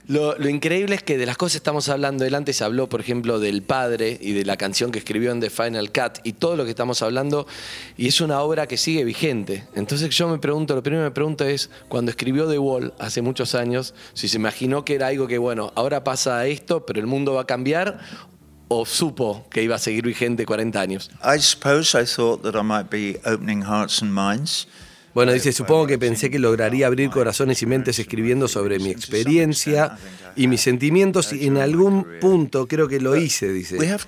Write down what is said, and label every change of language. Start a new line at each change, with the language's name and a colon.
Spanish: Lo increíble es que de las cosas que estamos hablando, él antes habló, por ejemplo, del padre y de la canción que escribió en The Final Cut y todo lo que estamos hablando, y es una obra que sigue vigente. Entonces yo me pregunto, lo primero que me pregunto es, cuando escribió The Wall hace muchos años, si se imaginó que era algo que, bueno, ahora pasa esto, pero el mundo va a cambiar, o supo que iba a seguir vigente 40 años.
English: I suppose I thought that I might be opening hearts and minds.
Spanish: Bueno, dice, supongo que pensé que lograría abrir corazones y mentes escribiendo sobre mi experiencia y mis sentimientos, y en algún punto creo que lo hice, dice.